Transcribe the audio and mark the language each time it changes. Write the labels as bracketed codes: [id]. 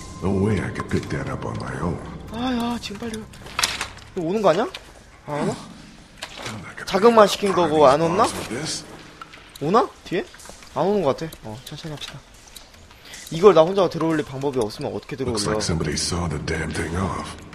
[en] No way I could pick that up on my own. [ko] 아야 지금 빨리 오는 거 아니야? 안 오나? 자극만 시킨 거고 안 오나? 오나? 뒤에? 안 오는 거 같아. 어 천천히 합시다. 이걸 나 혼자 들어올릴 방법이 없으면 어떻게 들어올려? [en] Looks like somebody saw the damn thing off.